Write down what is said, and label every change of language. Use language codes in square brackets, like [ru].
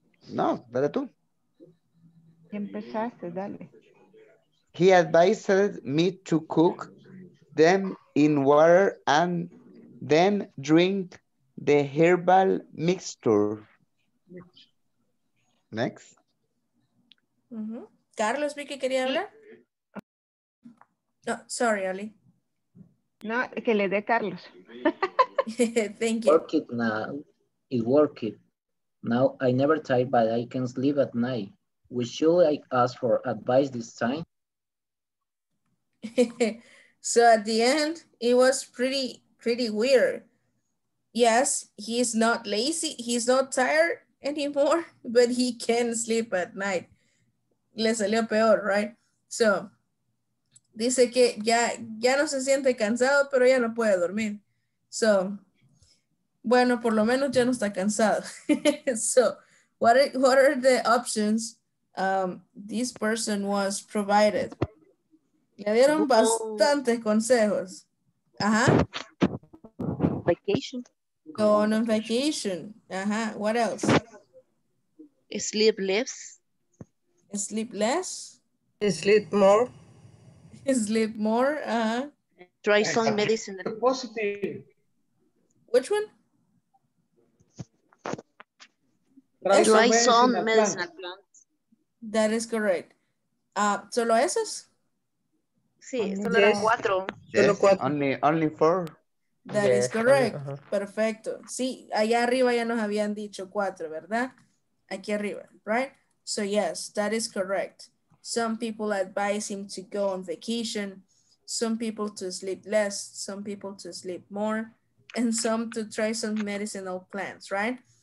[es] No, dale tú. Y empezaste, dale. [en] He advised me to cook them in water and then drink the herbal mixture. Next. Mm-hmm. [es] Carlos, vi que quería hablar. No, sorry, Oli. No, que le dé Carlos. [en] Thank you. Work it now. It worked. Now I never tired, but I can sleep at night. Would you like ask for advice this time? So at the end, it was pretty weird. Yes, he's not lazy. He's not tired anymore, but he can sleep at night. [es] Le salió peor, right? So, dice que ya no se siente cansado, pero ya no puede dormir. So, bueno, por lo menos ya no está cansado. [en] So, what are the options this person was provided. [es] Le dieron bastantes consejos. Ajá. [en] Vacation. Going on vacation. Ajá. What else? Sleep less. Sleep less. Sleep more. Sleep more. Uh-huh. Try some medicine. Positive. Which one? Try some medicine plants. That is correct. [es] Solo esos? Sí, solo eran cuatro. Solo cuatro. [en] Only four. That is correct. Uh-huh. Perfecto. [es] Sí, allá arriba ya nos habían dicho cuatro, ¿verdad? Aquí arriba, [en] right? So yes, that is correct. Some people advise him to go on vacation, some people to sleep less, some people to sleep more, and some to try some medicinal plants, right?